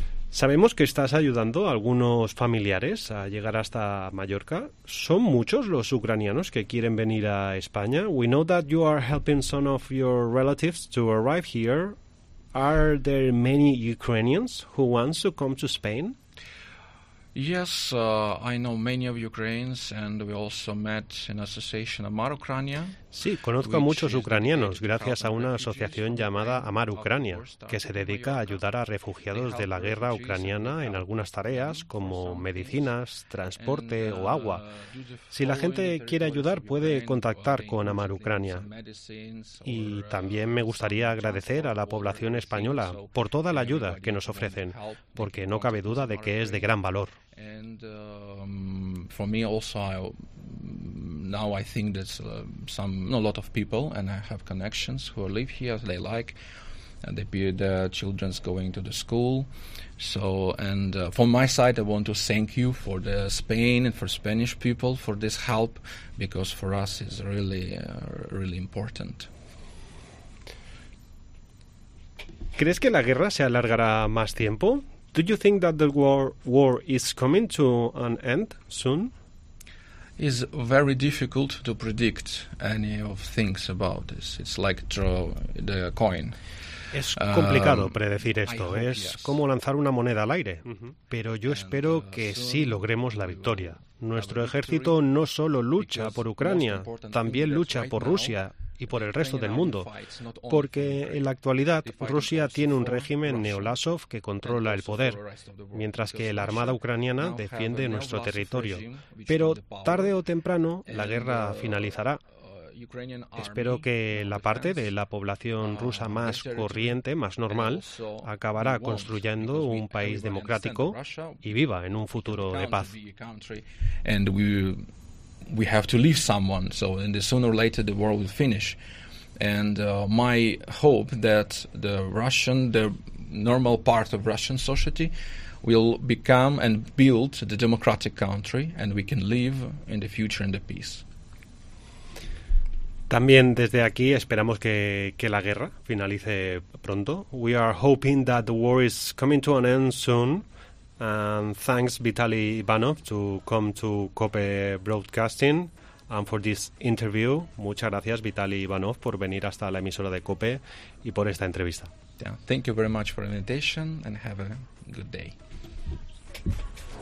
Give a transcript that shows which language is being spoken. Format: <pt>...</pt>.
<es>Sabemos que estás ayudando a algunos familiares a llegar hasta Mallorca. ¿Son muchos los ucranianos que quieren venir a España?</es> <en>We know that you are helping some of your relatives to arrive here. Are there many Ukrainians who want to come to Spain? Yes, I know many of Ukrainians and we also met an association Amar Ucrania.</en> <es>Sí, conozco a muchos ucranianos gracias a una asociación llamada Amar Ucrania, que se dedica a ayudar a refugiados de la guerra ucraniana en algunas tareas como medicinas, transporte o agua. Si la gente quiere ayudar, puede contactar con Amar Ucrania. Y también me gustaría agradecer a la población española por toda la ayuda que nos ofrecen, porque no cabe duda de que es de gran valor.</es> <en>And for me also, I now I think that's a lot of people, and I have connections who live here, they like, and they be the children's going to the school. So, and from my side, I want to thank you for the Spain and for Spanish people for this help, because for us it's really, really important.</en> <es>¿Crees que la guerra se alargará más tiempo?</es> <en>Do you think that the war is coming to an end soon? It's very difficult to predict any of things about this. It's like throw the coin.</en> <es>Es complicado predecir esto. Es como lanzar una moneda al aire. Pero yo espero que sí logremos la victoria. Nuestro ejército no solo lucha por Ucrania, también lucha por Rusia y por el resto del mundo, porque en la actualidad Rusia tiene un régimen neo-Lasov que controla el poder, mientras que la armada ucraniana defiende nuestro territorio. Pero tarde o temprano la guerra finalizará. Espero que la parte de la población rusa más corriente, más normal, acabará construyendo un país democrático y viva en un futuro de paz.</es> <en>And we have to leave someone, so in the sooner or later the war will finish. And my hope that the Russian, the normal part of Russian society, will become and build the democratic country, and we can live in the future in the peace.</en> <es>También desde aquí esperamos que la guerra finalice pronto.</es> <en>We are hoping that the war is coming to an end soon. And thanks Vitaly Ivanov to come to COPE Broadcasting and for this interview.</en> <es>Muchas gracias Vitaly Ivanov por venir hasta la emisora de COPE y por esta entrevista.</es> <en>Yeah, thank you very much for the invitation and have a good day.</en>